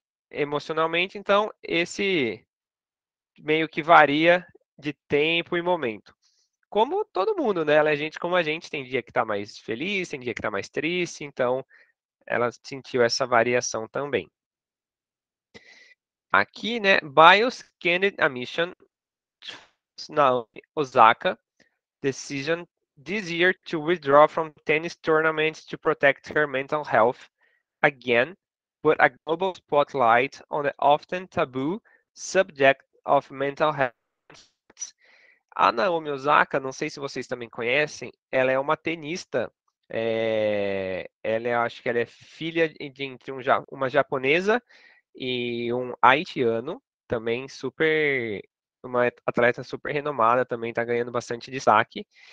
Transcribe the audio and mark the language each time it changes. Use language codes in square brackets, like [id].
[pt] Emocionalmente, então, esse meio que varia de tempo e momento. Como todo mundo, né? Ela é gente como a gente, tem dia que tá mais feliz, tem dia que tá mais triste, então ela sentiu essa variação também. Aqui, né, [en] Biles candid admission na Osaka decision this year to withdraw from tennis tournaments to protect her mental health again put a global spotlight on the often taboo subject of mental health. [pt] A Naomi Osaka, não sei se vocês também conhecem, ela é uma tenista Ela, acho que ela é filha de uma japonesa e um haitiano, também super, uma atleta super renomada, também está ganhando bastante destaque.